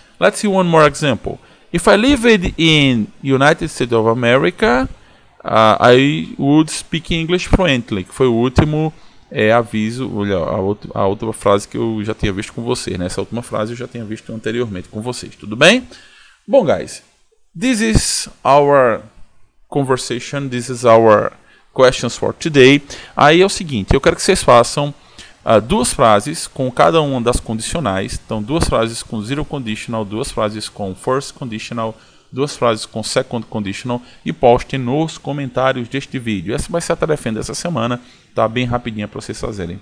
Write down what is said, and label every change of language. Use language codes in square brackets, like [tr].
[en] Let's see one more example. If I lived in United States of America, I would speak English fluently. [pt] Que foi o último aviso, olha, a outra frase que eu já tinha visto com vocês, né? Essa última frase eu já tinha visto anteriormente com vocês, tudo bem? Bom, guys. [en] This is our conversation, this is our questions for today. [pt] Aí é o seguinte, eu quero que vocês façam duas frases com cada uma das condicionais. Então, duas frases com zero conditional, duas frases com first conditional, duas frases com second conditional e postem nos comentários deste vídeo. Essa vai ser a tarefa dessa semana, tá bem rapidinha para vocês fazerem.